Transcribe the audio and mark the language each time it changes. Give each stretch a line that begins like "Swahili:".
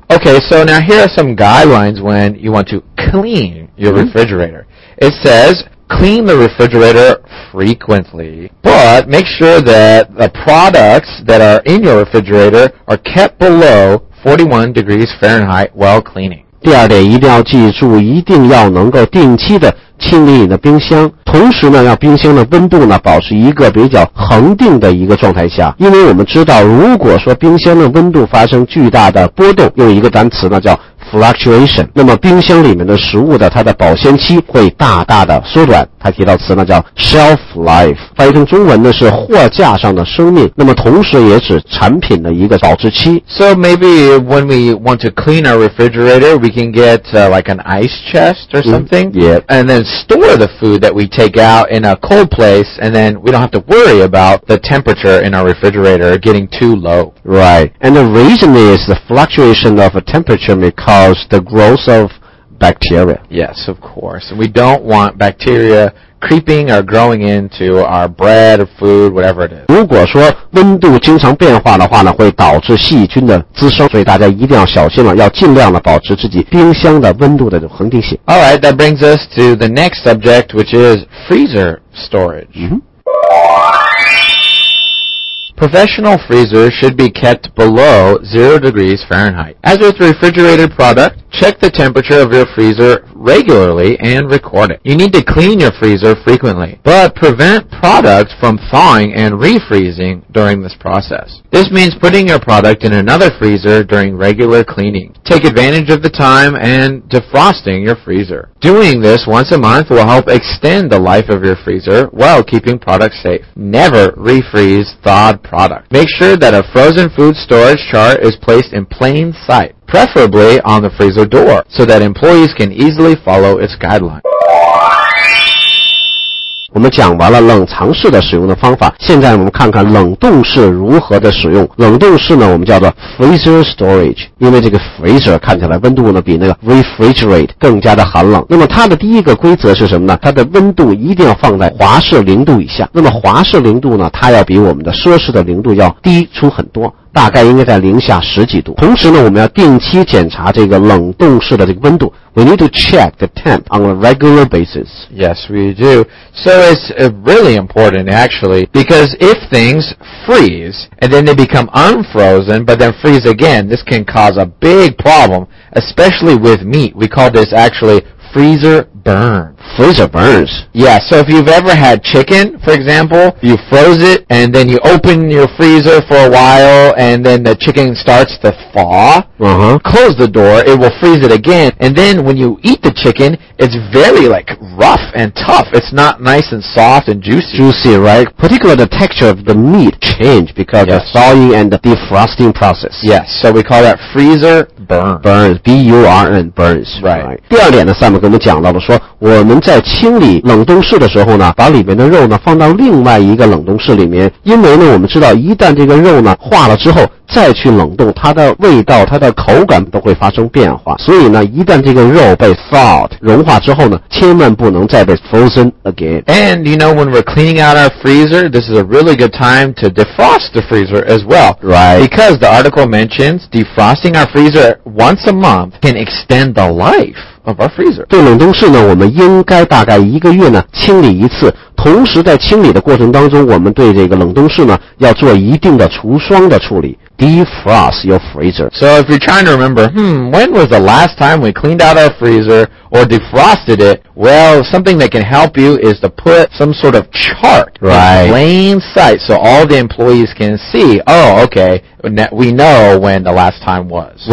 English: Okay, so now here are some guidelines when you want to clean your refrigerator. It says... Clean the refrigerator frequently, but make sure that the products that are in your refrigerator are kept below 41 degrees Fahrenheit while cleaning.
Chinese: 第二点，一定要记住，一定要能够定期的清理你的冰箱，同时呢，让冰箱的温度呢保持一个比较恒定的一个状态下。因为我们知道，如果说冰箱的温度发生巨大的波动，用一个单词呢叫fluctuation, 那么冰箱里面的食物的它的保鲜期会大大的缩短。他提到词呢叫 shelf life, 翻译成中文呢是货架上的生命，那么同时也指产品的一个保质期。
English: So maybe when we want to clean our refrigerator, we can get like an ice chest or something, and then store the food that we take out in a cold place, and then we don't have to worry about the temperature in our refrigerator getting too low. Right, and the reason is the fluctuation of a temperature may cause the growth of bacteria. Yes, of course. And we don't want bacteria creeping or growing into our bread or food, whatever it is.
Chinese: 如果说温度经常变化的话呢，会导致细菌的滋生，所以大家一定要小心了，要尽量的保持自己冰箱的温度的恒定性。
English: All right, that brings us to the next subject, which is freezer storage. Professional freezers should be kept below 0 degrees Fahrenheit. As with refrigerated product, check the temperature of your freezer regularly and record it. You need to clean your freezer frequently, but prevent product from thawing and refreezing during this process. This means putting your product in another freezer during regular cleaning. Take advantage of the time and defrosting your freezer. Doing this once a month will help extend the life of your freezer while keeping products safe. Never refreeze thawed product. Make sure that a frozen food storage chart is placed in plain sight, preferably on the freezer door, so that employees can easily follow its guidelines.
Chinese: 我们讲完了冷藏式的使用的方法，现在我们看看冷冻式如何的使用。冷冻式呢，我们叫做 freezer storage， 因为这个 freezer 看起来温度呢比那个 refrigerate 更加的寒冷。那么它的第一个规则是什么呢？它的温度一定要放在华氏零度以下。那么华氏零度呢，它要比我们的摄氏的零度要低出很多，大概应该在零下十几度。同时呢，我们要定期检查这个冷冻室的这个温度。
English: We need to check the temp on a regular basis. Yes, we do. So it's really important, actually, because if things freeze and then they become unfrozen, but then freeze again, this can cause a big problem, especially with meat. We call this actually freezer burn. Freezer burns. Yeah, so if you've ever had chicken, for example, you froze it and then you open your freezer for a while and then the chicken starts to thaw, close the door, it will freeze it again. And then when you eat the chicken, it's very like rough and tough. It's not nice and soft and juicy. Juicy, right? Particularly the texture of the meat change because of thawing and the defrosting process. Yes, so we call that freezer burn. Burns, B-U-R-N, burns. Right.
Chinese: 第二点呢，Sam跟我们讲到了说我们在清理冷冻室的时候呢，把里面的肉呢放到另外一个冷冻室里面，因为呢我们知道一旦这个肉呢化了之后再去冷冻，它的味道它的口感都会发生变化，所以呢一旦这个肉被 thawed 融化之后呢，千万不能再被
English: frozen again. And you know, when we're cleaning out our freezer, this is a really good time to defrost the freezer as well. Right. Because the article mentions defrosting our freezer once a month can extend the life of our freezer.
Chinese: 对冷冻室呢，我们应该大概一个月呢清理一次，同时在清理的过程当中，我们对这个冷冻室呢要做一定的除霜的处理。
English: Defrost your freezer. So if you're trying to remember, when was the last time we cleaned out our freezer or defrosted it? Well, something that can help you is to put some sort of chart in plain sight so all the employees can see, oh, okay, we know when the last time was.